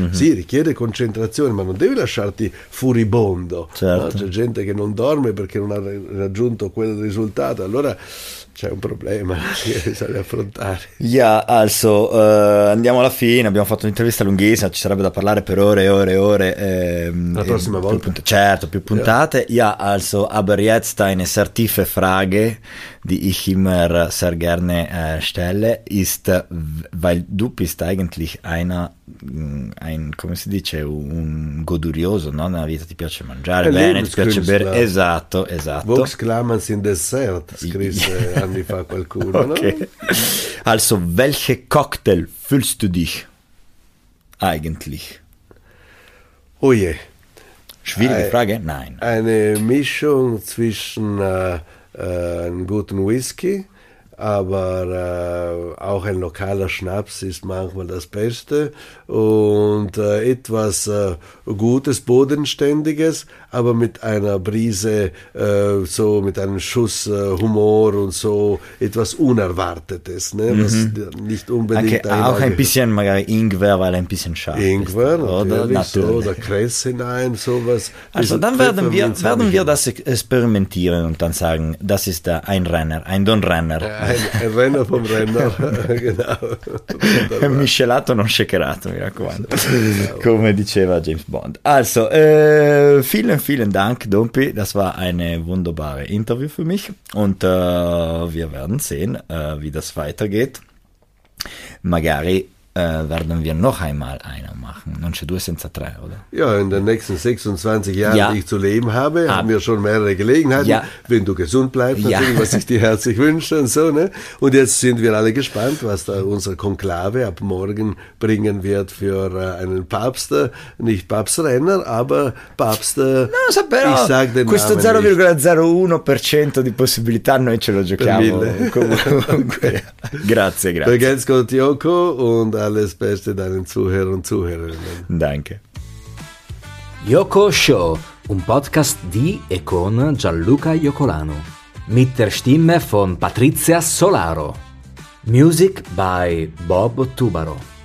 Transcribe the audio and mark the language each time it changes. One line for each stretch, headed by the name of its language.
Italian: Sì, richiede concentrazione, ma non devi lasciarti furibondo. Certo. No? C'è gente che non dorme perché non ha raggiunto quel risultato, allora c'è un problema che bisogna affrontare. Andiamo alla fine. Abbiamo fatto un'intervista lunghissima, ci sarebbe da parlare per ore. La prossima volta, più puntate.
German: Also aber jetzt eine certife Frage di Ich immer sehr gerne stelle ist, weil du bist eigentlich
Italian: un godurioso, no? Nella vita ti piace mangiare bene, ti piace bere. Esatto.
Latin: Vox clamans in dessert,
Italian: scrisse anni fa qualcuno. Okay. No?
German: Also, welche Cocktail fühlst du dich eigentlich? Oh je. Schwierige Frage? Nein. Eine Mischung zwischen einen guten Whisky, aber auch ein lokaler Schnaps ist manchmal das Beste, und etwas Gutes, Bodenständiges, aber mit einer Brise, so mit einem Schuss Humor und so, etwas Unerwartetes, ne? Was nicht unbedingt okay, auch ein bisschen magari Ingwer, weil ein bisschen scharf Ingwer, ist, oder? Natürlich, so, oder Kress hinein, sowas. Also dann werden wir das experimentieren und dann sagen, das ist ein Renner, ein Don Renner. Ein Renner vom Renner, genau.
Italian: Miscelato non shakerato, mi raccomando. Come diceva James Bond.
German: Also, vielen Dank, Dumpy. Das war eine wunderbare Interview für mich. Und wir werden sehen, wie das weitergeht. Magari werden wir noch einmal einer machen.
Italian: Non c'è due senza tre, oder?
German: Ja, in den nächsten 26 Jahren, die ich zu leben habe, haben wir schon mehrere Gelegenheiten. Ja. Wenn du gesund bleibst, natürlich, was ich dir herzlich wünsche und so, ne? Und jetzt sind wir alle gespannt, was da unsere Konklave ab morgen bringen wird für einen Papst. Nicht Papst Renner, aber Papst.
Italian: Non so, però,
German: ich sag den
Italian: questo
German: Namen
Italian: 0,01% di possibilità noi ce lo giochiamo. Comunque. grazie.
German: Ganz gut, Joko, und alles Beste deinen Zuhörern und Zuhörerinnen. Danke.
Italian: Joko Show, un Podcast di e con Gianluca Iocolano.
German: Mit der Stimme von Patrizia Solaro.
English: Music by Bob Tubaro.